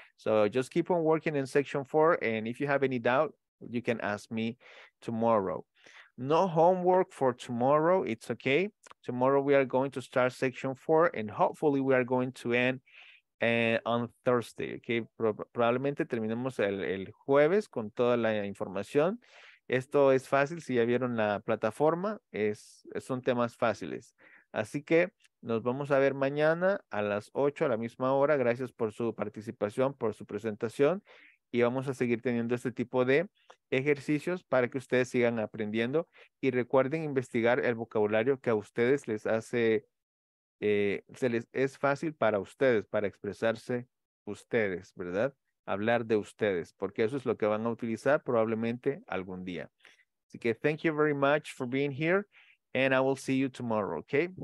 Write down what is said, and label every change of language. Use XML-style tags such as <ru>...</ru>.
<en>So just keep on working in section 4. And if you have any doubt, you can ask me tomorrow. No homework for tomorrow. It's okay. Tomorrow we are going to start section 4. And hopefully we are going to end on Thursday, okay.</en> <es>Probablemente terminemos el jueves con toda la información. Esto es fácil, si ya vieron la plataforma, son temas fáciles. Así que nos vamos a ver mañana a las 8 a la misma hora. Gracias por su participación, por su presentación. Y vamos a seguir teniendo este tipo de ejercicios para que ustedes sigan aprendiendo. Y recuerden investigar el vocabulario que a ustedes les hace es fácil para ustedes, para expresarse ustedes, ¿verdad? Hablar de ustedes, porque eso es lo que van a utilizar probablemente algún día. Así que</es> <en>thank you very much for being here, and I will see you tomorrow, okay?</en>